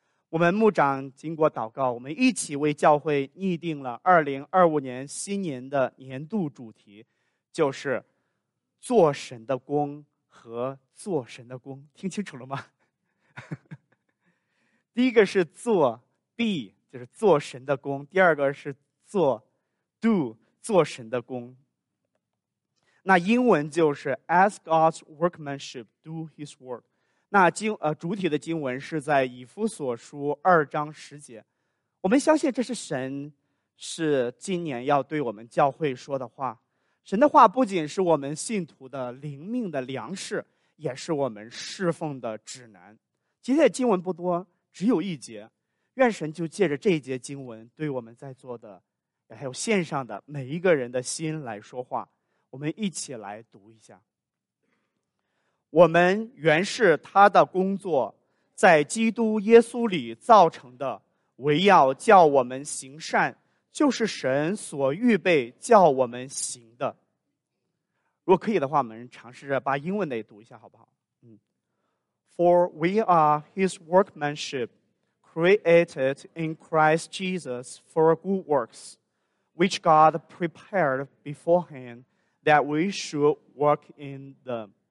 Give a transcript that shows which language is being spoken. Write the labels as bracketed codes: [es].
[zh] 我们牧长经过祷告，我们一起为教会拟定了2025年新年的年度主题，就是做神的工和做神的工。听清楚了吗？第一个是做 be， 就是做神的工。第二个是做 do， 做神的工。那英文就是 [en] as God's workmanship do his work。 [zh] 那主体的经文是在以弗所书2:10。我们相信这是神是今年要对我们教会说的话。神的话不仅是我们信徒的灵命的粮食，也是我们侍奉的指南。今天的经文不多，只有一节。愿神就借着这一节经文对我们在座的还有线上的每一个人的心来说话。我们一起来读一下。我们原是他的工作，在基督耶稣里造成的，唯要叫我们行善，就是神所预备叫我们行的。如果可以的话，我们尝试着把英文的读一下好不好？ [en] For we are his workmanship, created in Christ Jesus for good works, which God prepared beforehand that we should walk in them.